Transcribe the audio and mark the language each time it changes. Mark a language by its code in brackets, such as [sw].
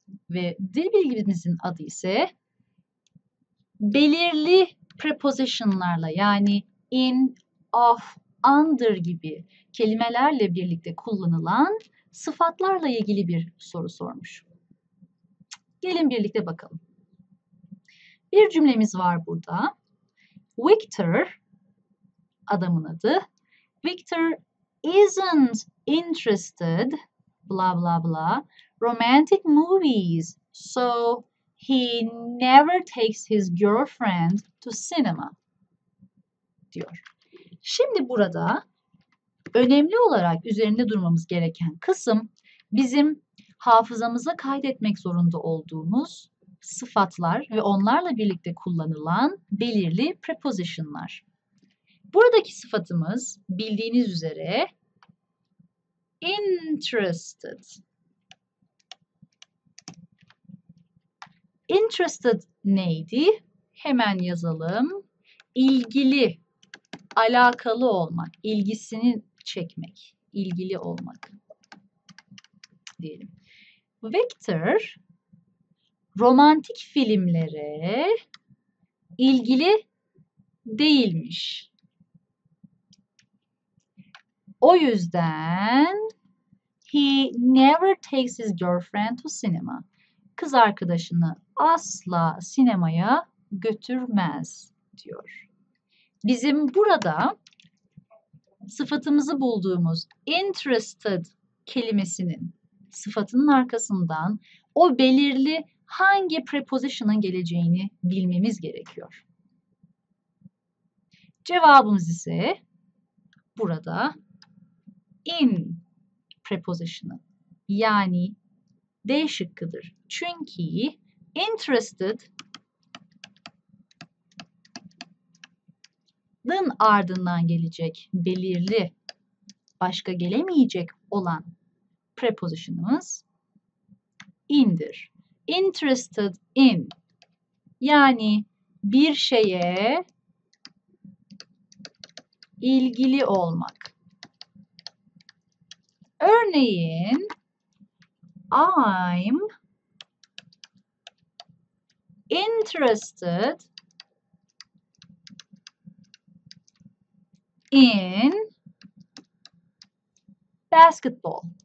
[tr] Ve dil bilgimizin adı ise belirli prepositionlarla yani in, of, under gibi kelimelerle birlikte kullanılan sıfatlarla ilgili bir soru sormuş. Gelin birlikte bakalım. Bir cümlemiz var burada. Victor, adamın adı. [en] Victor isn't interested, blah blah blah, romantic movies, so he never takes his girlfriend to cinema, [tr] diyor. Şimdi burada önemli olarak üzerinde durmamız gereken kısım bizim hafızamıza kaydetmek zorunda olduğumuz sıfatlar ve onlarla birlikte kullanılan belirli prepositionlar. Buradaki sıfatımız bildiğiniz üzere interested. Interested neydi? Hemen yazalım. İlgili, alakalı olmak, ilgisini çekmek, ilgili olmak diyelim. Victor romantik filmlere ilgili değilmiş. O yüzden [en] he never takes his girlfriend to cinema. [tr] Kız arkadaşını asla sinemaya götürmez, diyor. Bizim burada sıfatımızı bulduğumuz interested kelimesinin sıfatının arkasından o belirli hangi preposition'ın geleceğini bilmemiz gerekiyor. Cevabımız ise burada in preposition'ı yani D şıkkıdır. Çünkü interested'ın ardından gelecek belirli başka gelemeyecek olan preposition'ımız in'dir. Interested in yani bir şeye ilgili olmak. Örneğin [en] I'm interested in basketball.